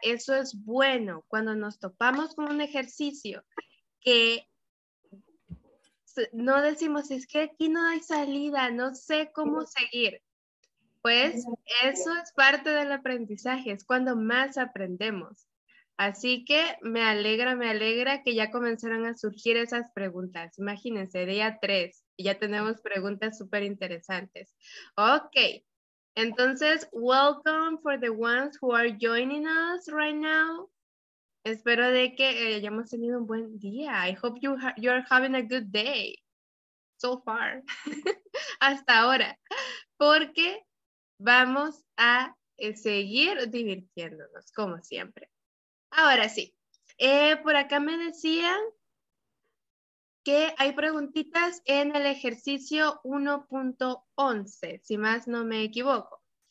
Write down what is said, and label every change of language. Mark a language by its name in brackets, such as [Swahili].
[Spanish] Eso es bueno, cuando nos topamos con un ejercicio que no decimos, es que aquí no hay salida, no sé cómo seguir. Pues eso es parte del aprendizaje, es cuando más aprendemos. Así que me alegra que ya comenzaron a surgir esas preguntas. Imagínense, día 3 y ya tenemos preguntas súper interesantes. [English] Ok, entonces, welcome for the ones who are joining us right now. [Spanish] Espero de que hayamos tenido un buen día. [English] I hope you are having a good day so far, [Spanish] hasta ahora, porque vamos a seguir divirtiéndonos, como siempre. Ahora sí, por acá me decían que hay preguntitas en el ejercicio 1.11, si más no me equivoco.